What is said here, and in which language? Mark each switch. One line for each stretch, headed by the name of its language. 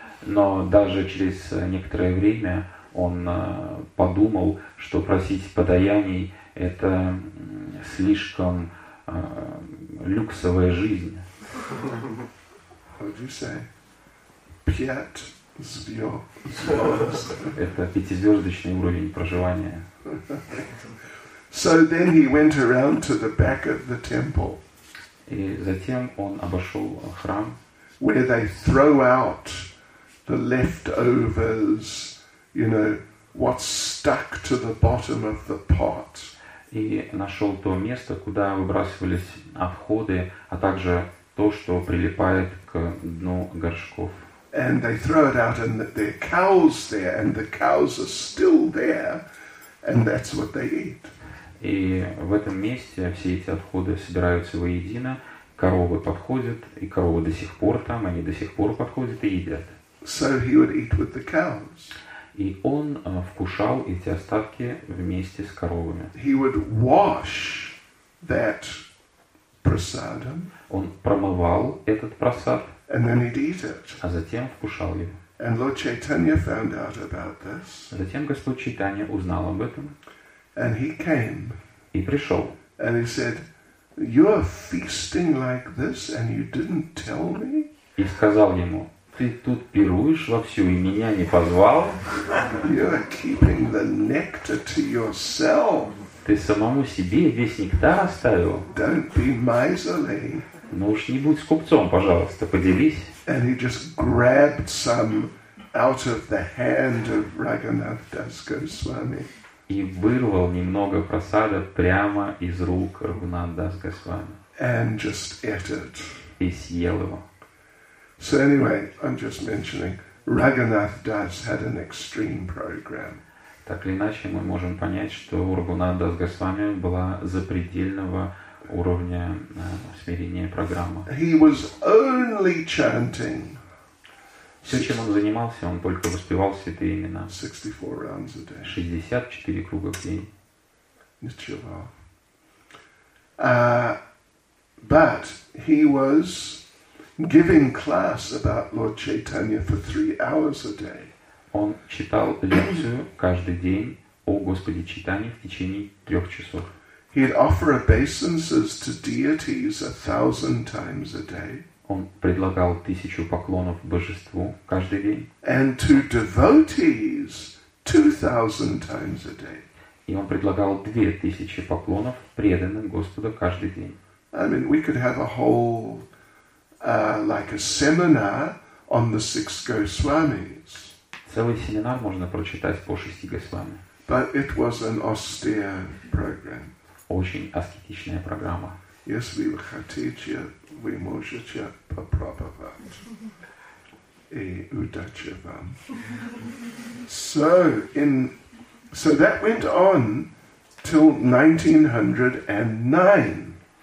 Russian: Но даже через некоторое время он подумал, что просить подаяний – это слишком люксовая жизнь.
English: What would you say?
Russian: Пять звезд. Это пятизвездочный уровень проживания.
English: So then he went around to the back of the temple.
Russian: И затем он обошел храм.
English: Where they throw out the leftovers, you know, what's stuck to the bottom of the pot.
Russian: И нашел то место, куда выбрасывались отходы, а также то, что прилипает к дну горшков.
English: And they throw it out, and there are cows there, and the cows are still there, and that's what they eat.
Russian: И в этом месте все эти отходы собираются воедино, коровы подходят, и коровы до сих пор там, они до сих пор подходят и едят.
English: So he would eat with the cows.
Russian: И он вкушал эти остатки вместе с коровами.
English: He would wash that prasadam.
Russian: Он промывал этот прасад,
English: and then he'd eat it.
Russian: А затем вкушал его.
English: And Lord Chaitanya found out about this.
Russian: Затем Господь Чайтанья узнал об этом.
English: And he came.
Russian: И пришел.
English: And he said, "You're feasting like this, and you didn't tell me?"
Russian: И сказал ему: "Ты тут пируешь вовсю и меня не позвал?"
English: You're keeping the nectar to yourself.
Russian: Ты самому себе весь нектар оставил.
English: Don't be miserly.
Russian: Ну уж не будь скупцом, пожалуйста, поделись.
English: And he just grabbed some out of the hand of Raghunath Das Goswami.
Russian: И вырвал немного просада прямо из рук Рагунатха Дас Госвами.
English: And just ate it.
Russian: И съел его.
English: So anyway, I'm just mentioning, Raghunath Das had an extreme program.
Russian: Так или иначе, мы можем понять, что у Рагунатха Дас Госвами была запредельного уровня смирения программа.
English: He was only chanting.
Russian: Все, чем он занимался, он только воспевал святые имена.
English: 64 rounds a day.
Russian: 64 круга в день. Ничего.
English: But he was giving class about Lord Chaitanya for 3 hours a day.
Russian: Он читал лекцию каждый день о Господе Чайтанье в течение 3 часов.
English: He'd offer obeisances to deities 1,000 times a day.
Russian: Он предлагал 1000 поклонов божеству каждый день.
English: And to devotees 2,000 times a day.
Russian: И он предлагал 2000 поклонов преданным Господу каждый день.
English: I mean, we could have a whole, like a seminar on the 6 Goswamis.
Russian: Целый семинар можно прочитать по 6 Госвами.
English: But it was an austere program.
Russian: Очень аскетичная программа. Если вы хотите, вы можете попробовать. И удачи вам.
English: So that went on till 1909.